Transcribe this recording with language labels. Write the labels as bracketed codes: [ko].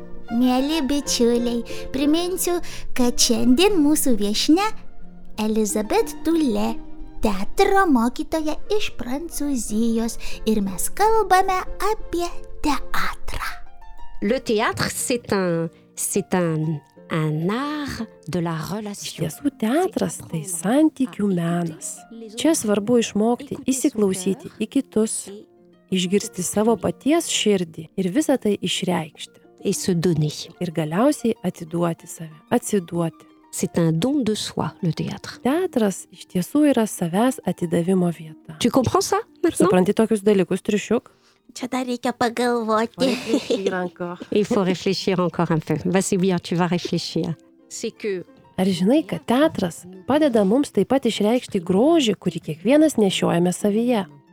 [lt] Mėly bičiuliai, priminsiu, kad šiandien mūsų viešnia Elizabet Dulė, teatro mokytoja iš Prancūzijos, ir mes kalbame apie teatrą. [fr] Le théâtre, c'est un art de la relation. [lt] Iš tiesų, teatras tai santykių menas. Čia svarbu išmokti įsiklausyti į kitus, išgirsti savo paties širdį ir visą tai išreikšti. [fr] Et se donner. [lt] Ir galiausiai atiduoti save, atsiduoti. [fr] C'est un don de soi, le théâtre. [lt] Teatras iš tiesų yra savęs atidavimo vieta. [fr] Tu comprends ça, maintenant? [lt] Supranti tokius dalykus, triušiuk? Čia dar reikia pagalvoti. [fr] Il faut réfléchir encore un peu. Vas-y bien, tu vas réfléchir. C'est que... [lt] Ar žinai, kad teatras padeda mums taip pat išreikšti grožį, kurį kiekvienas nešiojame savyje?